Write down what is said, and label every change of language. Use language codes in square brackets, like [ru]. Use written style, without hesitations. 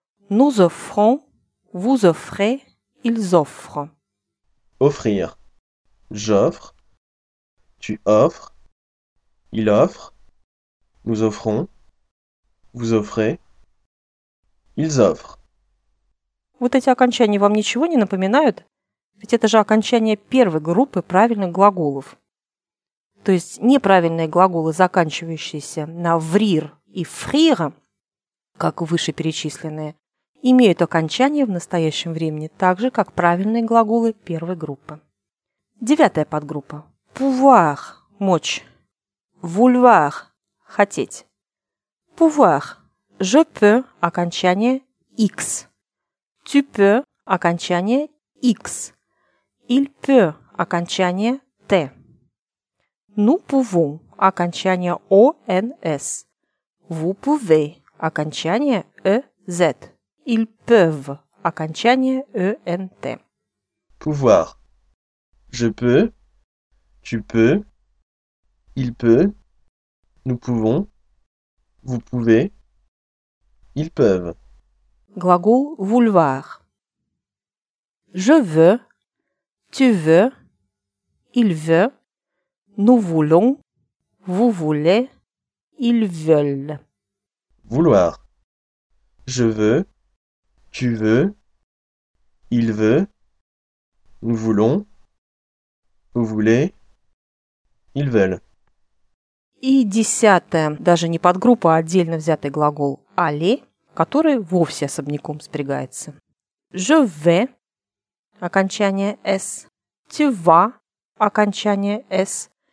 [fr] Nous offrons, vous offrez, ils offrent. Offrir. J'offre, tu offres, il offre, nous offrons, vous offrez, ils offrent. [ru] Вот эти окончания вам ничего не напоминают? Ведь это же окончание первой группы правильных глаголов. То есть неправильные глаголы, заканчивающиеся на «врир» и «фрир», как вышеперечисленные, имеют окончание в настоящем времени, так же, как правильные глаголы первой группы. Девятая подгруппа. «Pouvoir» – «мочь». «Vouloir» – «хотеть». [fr] «Pouvoir» – «je peux» – [ru] окончание [fr] «x». «Tu peux» – [ru] окончание [fr] «x». «Il peut» – окончание «t». Nous pouvons, [ru] окончание [fr] ons. Vous pouvez, окончание ez. Ils peuvent, [ru] окончание [fr] ent. Pouvoir. Je peux, tu peux, il peut, nous pouvons, vous pouvez, ils peuvent. [ru] Глагол vouloir. [fr] Je veux, tu veux, il veut. Nous voulons, vous voulez, ils veulent. Vouloir. Je veux, tu veux, il veut, nous voulons, vous voulez, ils veulent. [ru] И десятая, даже не подгруппа, а отдельно взятый глагол aller, который вовсе особняком спрягается. [fr] Je vais, [ru] окончание [fr] s. Tu vas, окончание s.